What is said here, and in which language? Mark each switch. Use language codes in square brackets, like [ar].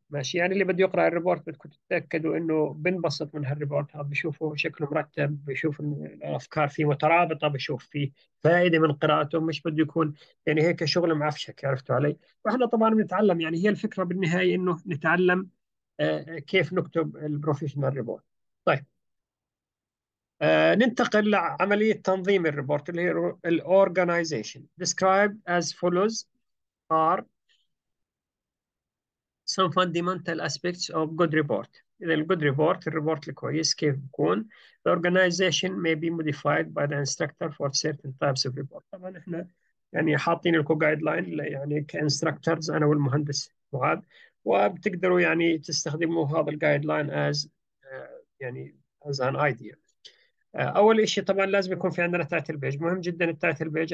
[ar] ماشي. يعني اللي بده يقرأ الريبورت بدكم تتأكدوا إنه بنبسط من هالريبورت هذا، بشوفه شكله مرتب، بشوف الأفكار فيه مترابطة، بشوف فيه فائدة من قراءته، مش بده يكون يعني هيك شغل معفشك، عرفتوا علي؟ وإحنا طبعا بنتعلم، يعني هي الفكرة بالنهاية إنه نتعلم كيف نكتب البروفيشنال ريبورت. طيب ننتقل لعملية تنظيم الريبورت اللي هي الـ [en] organization described as follows are some fundamental aspects of good report. [ar] إذا الـ [en] good report [ar] الريبورت الكويس كيف بكون [en] the organization may be modified by the instructor for certain types of report. [ar] طبعا إحنا يعني حاطين لكم جايد لاين يعني كانستراكتورز أنا والمهندس معاذ، وبتقدروا يعني تستخدموا هذا الجايد لاين as يعني [en] as an idea. [ar] اول شيء طبعا لازم يكون في عندنا تايتل بيج، مهم جدا التايتل بيج.